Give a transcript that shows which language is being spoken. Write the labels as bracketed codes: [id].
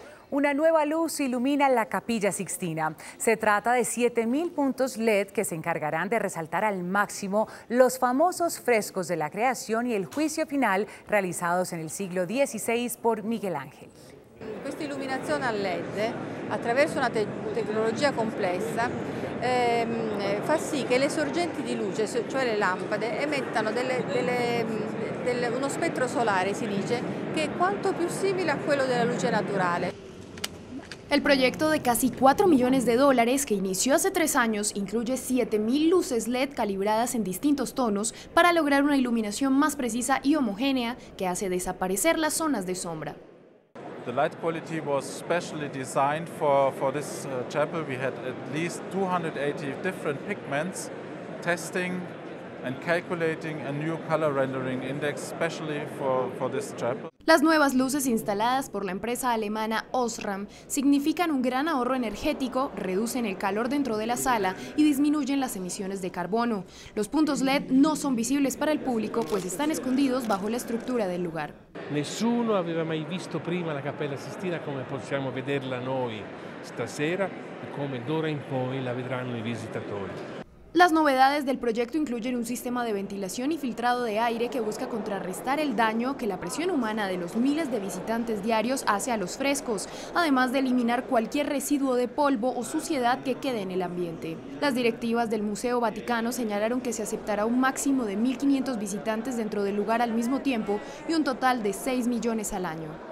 [es] Una nueva luz ilumina la Capilla Sixtina. Se trata de 7.000 puntos LED que se encargarán de resaltar al máximo los famosos frescos de la creación y el juicio final realizados en el siglo XVI por Miguel Ángel. Esta iluminación a LED, a través de una tecnología compleja, [it] fa sì che le sorgenti di luce, cioè le lampade, emettano uno spettro solare, si dice, che è quanto più simile a quello della luce naturale. [es] El proyecto de casi 4 millones de dólares que inició hace 3 años incluye 7.000 luces LED calibradas en distintos tonos para lograr una iluminación más precisa y homogénea que hace desaparecer las zonas de sombra. [en] The light quality was specially designed for this chapel. We had at least 280 different pigments testing and calculating a new color rendering index specially for this chapel. [es] Las nuevas luces instaladas por la empresa alemana Osram significan un gran ahorro energético, reducen el calor dentro de la sala y disminuyen las emisiones de carbono. Los puntos LED no son visibles para el público, pues están escondidos bajo la estructura del lugar. [it] Nessuno aveva mai visto prima la Cappella Sistina come possiamo vederla noi stasera e come d'ora in poi la vedranno i visitatori. [es] Las novedades del proyecto incluyen un sistema de ventilación y filtrado de aire que busca contrarrestar el daño que la presión humana de los miles de visitantes diarios hace a los frescos, además de eliminar cualquier residuo de polvo o suciedad que quede en el ambiente. Las directivas del Museo Vaticano señalaron que se aceptará un máximo de 1.500 visitantes dentro del lugar al mismo tiempo y un total de 6 millones al año.